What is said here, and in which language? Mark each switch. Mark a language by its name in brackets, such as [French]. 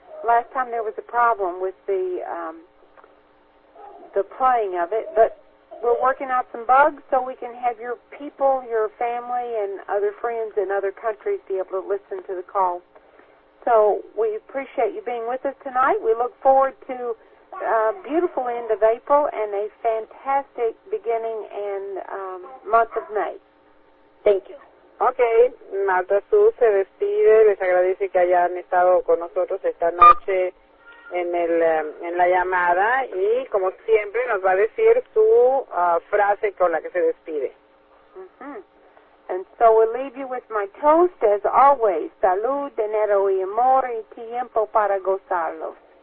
[English] Last time there was a problem with the playing of it, but we're working out some bugs so we can have your people, your family, and other friends in other countries be able to listen to the call. So we appreciate you being with us tonight. We look forward to a beautiful end of April and a fantastic beginning and month of May. Thank you. [Spanish] Okay, Marta Sue se despide, les agradece que hayan estado con nosotros esta noche en el en la llamada y como siempre nos va a decir su frase con la que se despide. Mm-hmm. [English] And so we'll leave you with my toast as always. [Spanish] Salud, dinero y amor y tiempo para gozarlo.